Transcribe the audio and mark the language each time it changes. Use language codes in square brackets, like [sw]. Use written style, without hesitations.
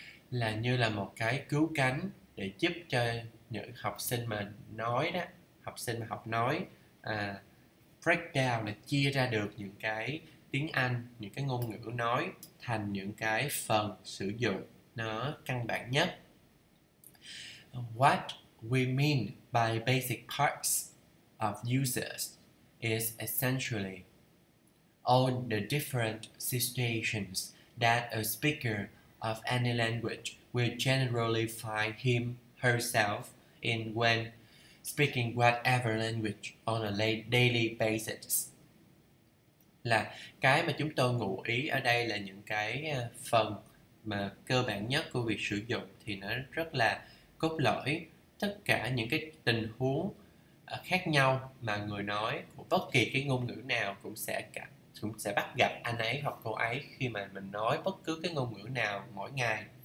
[vi] Là như là một cái cứu cánh để giúp cho những học sinh mà nói đó, học sinh mà học nói, break down là chia ra được những cái tiếng Anh, những cái ngôn ngữ nói thành những cái phần sử dụng nó căn bản nhất. [en] What we mean by basic parts of uses is essentially all the different situations that a speaker of any language will generally find him, herself in when speaking whatever language on a daily basis. [vi] Là cái mà chúng tôi ngụ ý ở đây là những cái phần mà cơ bản nhất của việc sử dụng thì nó rất là cốt lõi. Tất cả những cái tình huống khác nhau mà người nói của bất kỳ cái ngôn ngữ nào cũng sẽ bắt gặp anh ấy hoặc cô ấy khi mà mình nói bất cứ cái ngôn ngữ nào mỗi ngày.